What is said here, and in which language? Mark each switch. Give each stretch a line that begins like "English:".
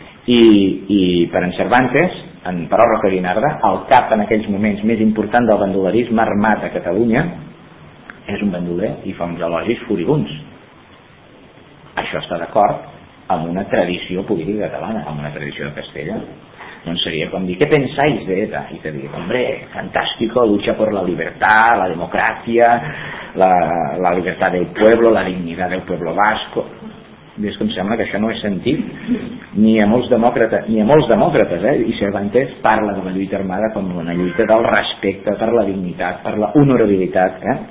Catalan: I per en Cervantes, per Roca Guinarda, el cap en aquells moments més important del bandolerisme armat a Catalunya és un bandoler i fa uns elogis furibuns. Això està d'acord amb una tradició política catalana, amb una tradició de Castella. Doncs seria com dir, què pensais d'ETA? I te diria,
Spanish: hombre, fantástico, lucha por la libertad, la democracia, la libertad del pueblo, la dignidad del pueblo vasco.
Catalan: Ves com sembla que això no és sentit ni a molts demòcrates, i Cervantes parla de la lluita armada com una lluita del respecte per la dignitat, per la honorabilitat.